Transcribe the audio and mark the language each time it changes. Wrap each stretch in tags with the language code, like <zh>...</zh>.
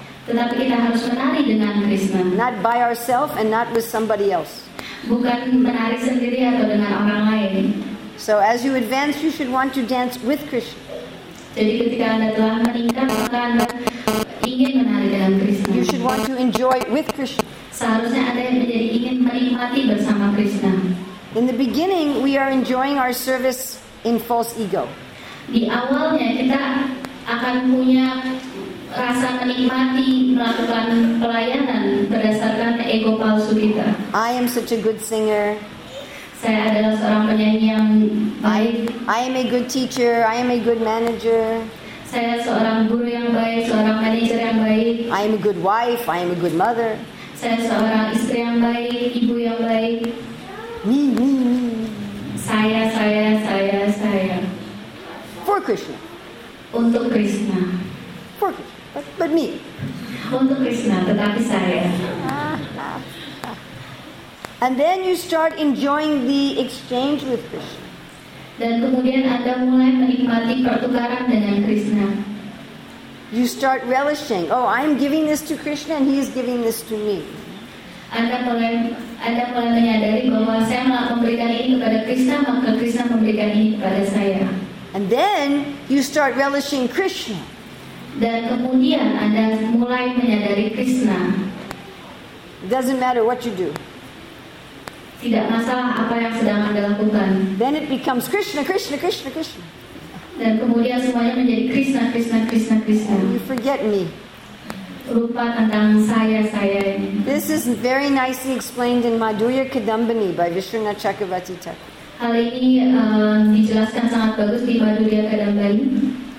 <id>Tetapi kita harus menari dengan Krishna.</id> <en>Not by ourselves and not with somebody else.</en> <id>Bukan menari sendiri atau dengan orang lain.</id> <en>So as you advance, you should want to dance with Krishna.</en> <id>Jadi ketika Anda telah meningkat, maka Anda ingin menari dengan Krishna.</id> <en>You should want to enjoy with Krishna.</en> <id>Seharusnya Anda menjadi ingin menikmati bersama Krishna.</id> <en>In the beginning, we are enjoying our service in false ego.</en> <id>Di awalnya kita akan punya rasa menikmati melakukan pelayanan berdasarkan ego palsu kita.</id> <en>I am such a good singer.</en> <id>Saya adalah seorang penyanyi yang baik.</id> <en>I am a good teacher. I am a good manager.</en> <id>Saya seorang guru yang baik, seorang manajer yang baik.</id> <en>I am a good wife. I am a good mother.</en> <id>Saya seorang istri yang baik, ibu yang baik.</id> <en>Me.</en> <id>Saya.</id> <en>For Krishna.</en> <id>Untuk Krishna.</id> <en>For Krishna. But me.</en> <id>Untuk Krishna, tetapi saya.</id> <en>And then you start enjoying the exchange with Krishna.</en> <id>Dan kemudian Anda mulai menikmati pertukaran dengan Krishna.</id> <en>You start relishing. Oh, I'm giving this to Krishna and he is giving this to me.</en> <id>Anda mulai menyadari bahwa saya memberikan ini kepada Krishna, maka Krishna memberikan ini kepada saya.</id> <en>And then you start relishing Krishna.</en> <id>Dan kemudian Anda mulai menyadari Krishna.</id> <en>It doesn't matter what you do.</en> <id>Tidak masalah apa yang sedang Anda lakukan.</id> <en>Then it becomes Krishna, Krishna, Krishna, Krishna.</en> <id>Dan kemudian semuanya menjadi Krishna, Krishna, Krishna, Krishna.</id> <en>And you forget me.</en> <id>Lupa tentang saya ini.</id> <en>This is very nicely explained in Madhurya Kadambini by Vishwanatha Chakravarti Thakur.</en> <id>Hal ini dijelaskan sangat bagus di Madhurya Kadambini.</id>